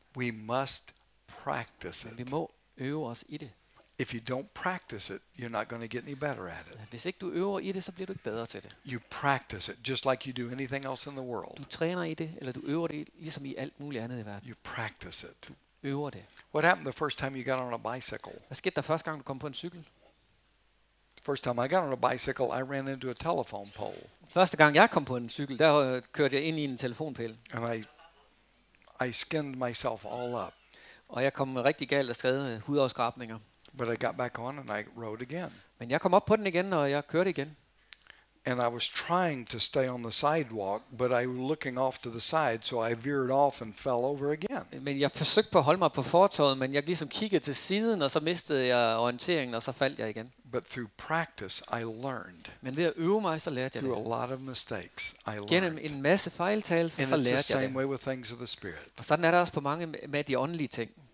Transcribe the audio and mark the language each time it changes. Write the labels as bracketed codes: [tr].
[en] we must practice it. [da] Vi må øve os i det. [en] If you don't practice it, you're not going to get any better at it. [da] Hvis ikke du øver i det, så bliver du ikke bedre til det. [en] You practice it just like you do anything else in the world. [da] Du træner i det, eller du øver det ligesom i alt muligt andet i verden. [en] You practice it. [da] Øver det. [en] What happened the first time you got on a bicycle? [da] Hvad skete der første gang du kom på en cykel? [en] First time I got on a bicycle, I ran into a telephone pole. [da] Første gang jeg kom på en cykel, der kørte jeg ind i en telefonpæl. [en] And I skinned myself all up. [da] Og jeg kom rigtig galt af skred med hudafskrabninger. [en] But I got back on and I rode again. [da] Men jeg kom op på den igen og jeg kørte igen. [en] And I was trying to stay on the sidewalk, but I was looking off to the side, so I veered off and fell over again. [da] Men jeg forsøgte på at holde mig på fortovet, men jeg ligesom kiggede til siden, og så mistede jeg orienteringen, og så faldt jeg igen. [en] But through practice, I learned. [da] Men ved at øve mig, så lærte jeg [en] through [da] det. [en] A lot of mistakes, I learned. [da] Gennem en masse fejltagelser, [en] and [da] så lærte jeg det. [en] And it's the same way with things of the spirit. [da] Og sådan er det også på mange med de åndelige ting.